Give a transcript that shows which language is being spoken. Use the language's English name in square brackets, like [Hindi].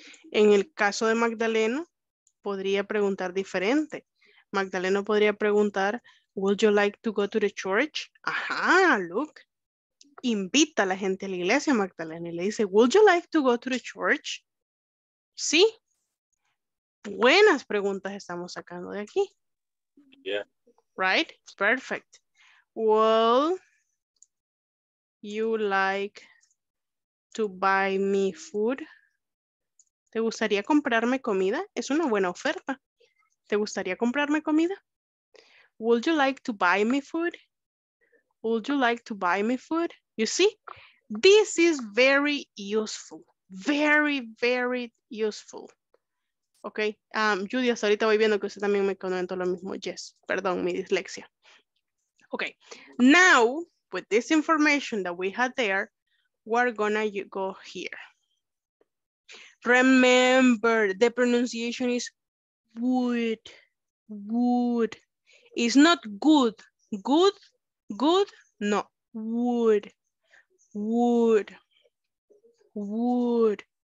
[Spanish] En el caso de Magdaleno, podría preguntar diferente. [English] Magdaleno [Spanish] podría preguntar, [English] would you like to go to the church? [Spanish] Ajá, look. Invita a la gente a la iglesia, Magdaleno, y le dice, [English] would you like to go to the church? [Spanish] Sí. Buenas preguntas estamos sacando de aquí. [English] Yeah. Right? Perfect. Well, you like to buy me food? [Spanish] ¿Te gustaría comprarme comida? Es una buena oferta. ¿Te gustaría comprarme comida? [English] Would you like to buy me food? Would you like to buy me food? You see? This is very useful. Very, very useful. Okay. [Spanish] Judy, hasta ahorita voy viendo que usted también me comentó lo mismo. Yes. Perdón, mi dislexia. Okay. [English] Now, with this information that we had there, we're gonna go here. Remember, the pronunciation is would, would. It's not good, good, good, no, would, would, would.